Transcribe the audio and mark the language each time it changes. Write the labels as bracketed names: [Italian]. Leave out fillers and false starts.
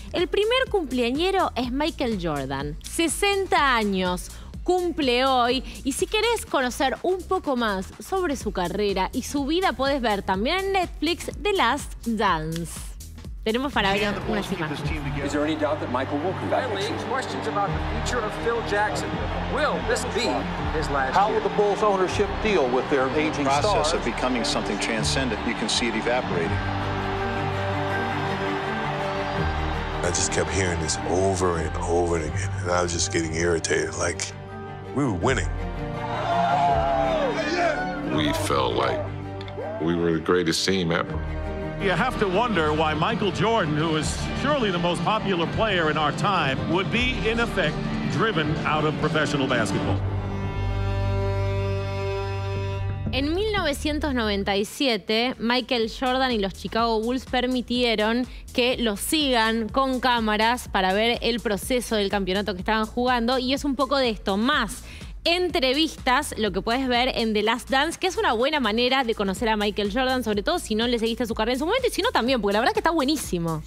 [Spanish] El primer cumpleañero es Michael Jordan. 60 años cumple hoy. Y si querés conocer un poco más sobre su carrera y su vida, podés ver también en Netflix The Last Dance. Tenemos para ver unas imágenes. ¿Hay alguna duda que Michael va a ser? [English] Finally, questions about the future of Phil Jackson. Will this be his last year? How will the Bulls ownership deal with their aging stars? The process of becoming something transcendent, you can see it evaporating. I just kept hearing this over and over again, and I was just getting irritated. Like, we were winning. We felt like we were the greatest team ever. You have to wonder why Michael Jordan, who is surely the most popular player in our time, would be, in effect, driven out of professional basketball. [Spanish] En 1997, Michael Jordan y los Chicago Bulls permitieron que lo sigan con cámaras para ver el proceso del campeonato que estaban jugando. Y es un poco de esto más. Entrevistas, lo que puedes ver en The Last Dance, que es una buena manera de conocer a Michael Jordan, sobre todo si no le seguiste su carrera en su momento, y si no también, porque la verdad es que está buenísimo.